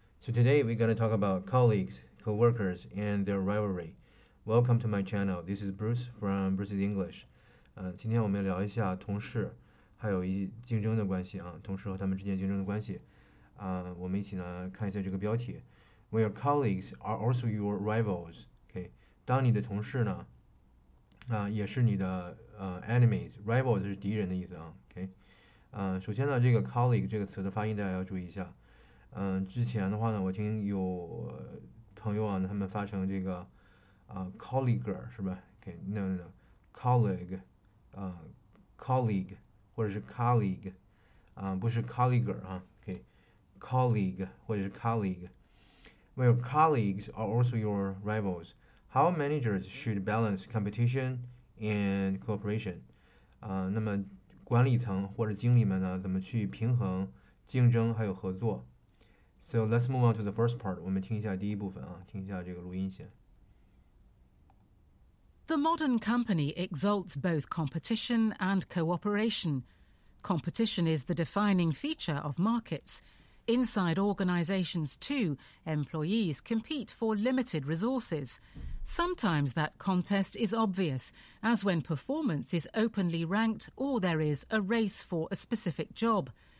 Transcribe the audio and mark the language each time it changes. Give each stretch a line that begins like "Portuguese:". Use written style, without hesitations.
English: So today we're going to talk about colleagues, co-workers, and their rivalry. Welcome to my channel. This is Bruce from Bruce's English.
Chinese: 今天我们聊一下同事，还有一竞争的关系啊，同事和他们之间竞争的关系。我们一起呢看一下这个标题，
English: Where colleagues are also your rivals.
Chinese: OK，当你的同事呢，也是你的enemies. Rivals 是敌人的意思啊。OK，首先呢，这个 colleague 这个词的发音大家要注意一下。之前的话呢，我听有朋友啊，他们发成这个colleague 是吧？OK，那 colleague colleague 或者是 colleague 不是 colleague 啊，OK，colleague 或者是 colleague。
English: Where colleagues are also your rivals, how managers should balance competition and cooperation？
Chinese: 那么管理层或者经理们呢，怎么去平衡竞争还有合作？
English: So let's move on to the first part.
Chinese: 我们听一下第一部分啊，听一下这个录音先。
English: The modern company exalts both competition and cooperation. Competition is the defining feature of markets. Inside organizations, too, employees compete for limited resources. Sometimes that contest is obvious, as when performance is openly ranked or there is a race for a specific job.